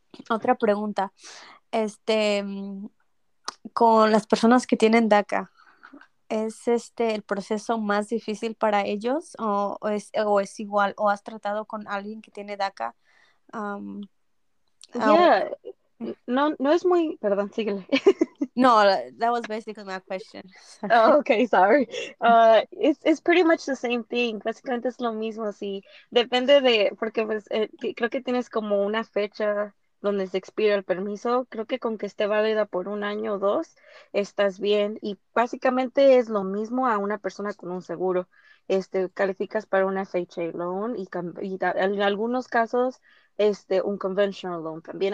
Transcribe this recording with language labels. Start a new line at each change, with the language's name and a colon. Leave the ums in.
Spanish: Otra pregunta, este, con las personas que tienen DACA? ¿Es este el proceso más difícil para ellos o, o es, o es igual? ¿O has tratado con alguien que tiene DACA? Um,
English: yeah.
Spanish: No, no es muy, perdón, síguele.
English: no, that was basically my question. oh, okay, sorry. Uh, it's, it's pretty much the same thing.
Spanish: Básicamente es lo mismo, sí. Depende de, porque pues, eh, creo que tienes como una fecha donde se expira el permiso, creo que con que esté válida por un año o dos, estás bien. Y básicamente es lo mismo a una persona con un seguro. Este, calificas para un FHA loan y, y da, en algunos casos este, un conventional loan también.